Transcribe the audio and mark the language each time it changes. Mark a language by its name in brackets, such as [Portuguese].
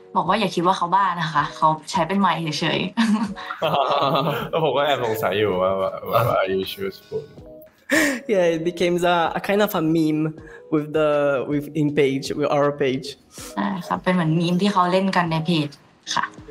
[Thai] บอกว่าอย่าคิดว่าเขาบ้านะคะเขาใช้เป็นไมค์เฉย ๆผมก็แอบสงสัยอยู่ว่า [English] are you sure spoon yeah it became a kind of a meme with the with in page with our page [Thai] ค่ะเป็นเหมือนมีมที่เขาเล่นกันในเพจค่ะ